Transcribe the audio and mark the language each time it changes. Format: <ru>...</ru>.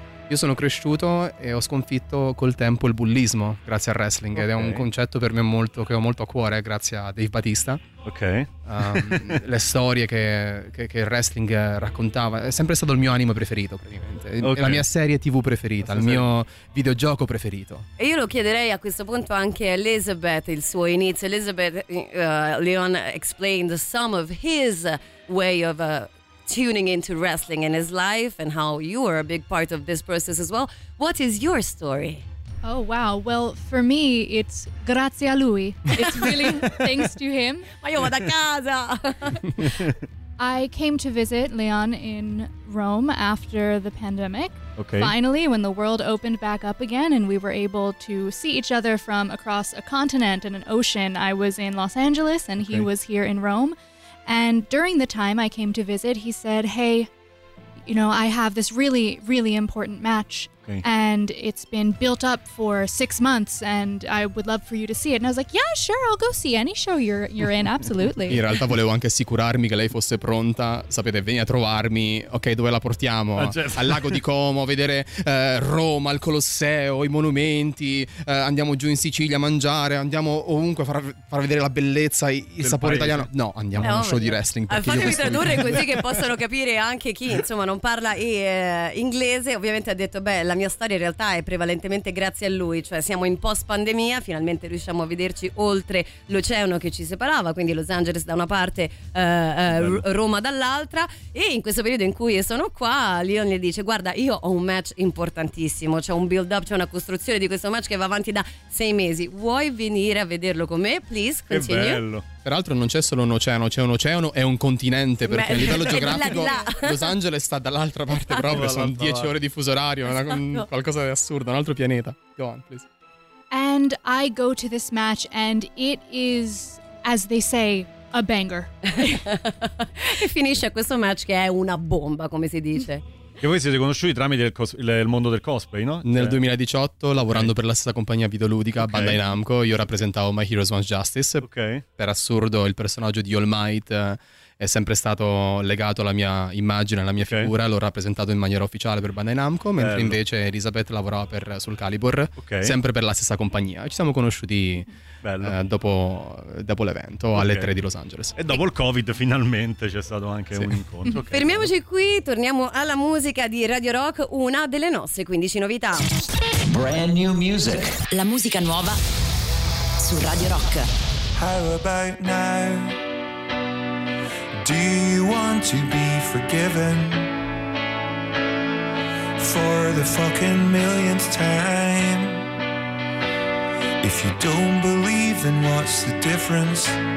<it>Io sono cresciuto e ho sconfitto col tempo il bullismo grazie al wrestling, okay. Ed è un concetto per me molto, che ho molto a cuore grazie a Dave Batista. Ok. le storie che il wrestling raccontava, è sempre stato il mio anime preferito praticamente, okay. La mia serie TV preferita, il mio videogioco preferito. E io lo chiederei a questo punto anche a Elizabeth, il suo inizio.</it> <en>Elizabeth, Leon explained some of his way of tuning into wrestling in his life and how you are a big part of this process as well. What is your story? Oh, wow. Well, for me, it's</en> <it>grazie a lui.</it> <en>It's really thanks to him.</en> <it>Ma io vado a casa!</it> <en>I came to visit Leon in Rome after the pandemic. Okay. Finally, when the world opened back up again and we were able to see each other from across a continent and an ocean, I was in Los Angeles and he was here in Rome. And during the time I came to visit, he said, hey, you know, I have this really, really important match. Okay. And it's been built up for 6 months and I would love for you to see it. And I was like, yeah, sure, I'll go see any show you're in, absolutely.</en> <it>In realtà volevo anche assicurarmi che lei fosse pronta, sapete, vieni a trovarmi, ok, dove la portiamo? Ah, certo. Al lago di Como, a vedere Roma, il Colosseo, i monumenti, andiamo giù in Sicilia a mangiare, andiamo ovunque a far vedere la bellezza, il sapore paese. Italiano. No, andiamo a uno show di wrestling. Fatemi tradurre così che possano capire anche chi, insomma, non parla inglese, ovviamente ha detto, beh, la mia storia in realtà è prevalentemente grazie a lui, cioè siamo in post pandemia, finalmente riusciamo a vederci oltre l'oceano che ci separava, quindi Los Angeles da una parte, Roma dall'altra, e in questo periodo in cui sono qua Leon gli dice, guarda, io ho un match importantissimo, c'è un build up, c'è una costruzione di questo match che va avanti da 6 mesi, vuoi venire a vederlo con me?</it> <en>Please continue.</en> <it>Che bello. Peraltro non c'è solo un oceano, c'è un oceano e un continente, perché a livello geografico Los Angeles sta dall'altra parte proprio, sono 10 ore di fuso orario, esatto. Qualcosa di assurdo, un altro pianeta.</it> <en>Go on, please. And I go to this match and it is, as they say, a banger.</en> <it>E finisce questo match che è una bomba, come si dice. Che voi siete conosciuti tramite il mondo del cosplay, no? Nel 2018, lavorando per la stessa compagnia videoludica, Bandai Namco, io rappresentavo My Heroes Wants Justice. Per assurdo, il personaggio di All Might è sempre stato legato alla mia immagine, alla mia figura, l'ho rappresentato in maniera ufficiale per Bandai Namco, mentre invece Elizabeth lavorava per Soul Calibur, sempre per la stessa compagnia. Ci siamo conosciuti dopo l'evento, alle 3 di Los Angeles. E dopo il Covid finalmente c'è stato anche un incontro. Okay. Fermiamoci qui, torniamo alla musica di Radio Rock, una delle nostre 15 novità.</it> <en>Brand new music.</en> <it>La musica nuova su Radio Rock.</it> <en>How about now? Do you want to be forgiven for the fucking millionth time? If you don't believe, then what's the difference?</en>